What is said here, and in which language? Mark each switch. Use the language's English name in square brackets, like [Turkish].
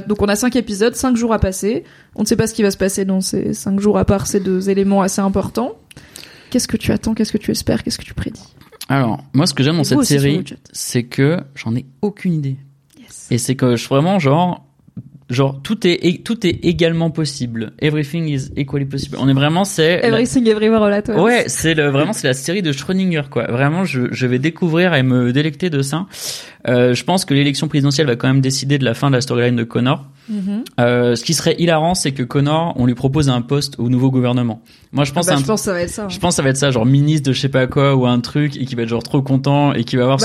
[French] Donc, on a 5 épisodes, 5 jours à passer. On ne sait pas ce qui va se passer dans ces 5 jours, à part ces deux éléments assez importants. Qu'est-ce que tu attends ? Qu'est-ce que tu espères ? Qu'est-ce que tu prédis ? Alors, moi, ce que j'aime dans cette série, c'est que j'en ai aucune idée. [English] Yes. [French] Et c'est que je suis vraiment genre, tout est également possible. [English] Everything is equally possible. [French] On est vraiment, c'est... [English] Everything, everywhere, all at once. [French] Ouais, c'est la série de Schrödinger, quoi. Vraiment, je vais découvrir et me délecter de ça. Je pense que l'élection présidentielle va quand même décider de la fin de la storyline de Connor. Mm-hmm. Ce qui serait hilarant, c'est que Connor, on lui propose un poste au nouveau gouvernement. Moi, je pense que ça va être ça. Je pense que ça va être ça, genre ministre de je sais pas quoi ou un truc, et qui va être genre trop content et qui va avoir